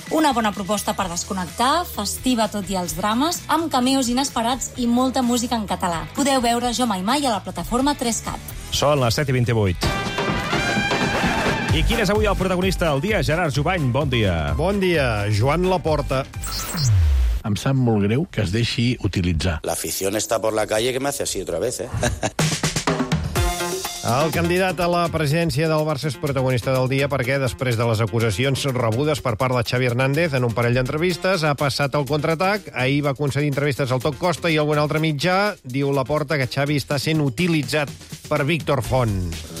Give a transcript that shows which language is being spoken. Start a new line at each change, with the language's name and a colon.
Catalan: Una bona proposta per desconnectar, festiva tot i els drames, amb cameos inesperats i molta música en català. Podeu veure Jo mai mai a la plataforma 3CAT. Són les 7:28. I quin és avui el protagonista del dia? Gerard Jubany, bon dia. Bon dia, Joan Laporta. Em sap molt greu que es deixi utilitzar.
Spanish: La afición está por la calle, que me hace así otra vez, eh?
Catalan: El candidat a la presidència del Barça és protagonista del dia perquè, després de les acusacions rebudes per part de Xavi Hernández en un parell d'entrevistes, ha passat el contraatac. Ahir va concedir entrevistes al Toc Costa i algun altre mitjà. Diu Laporta que Xavi està sent utilitzat per Víctor Font.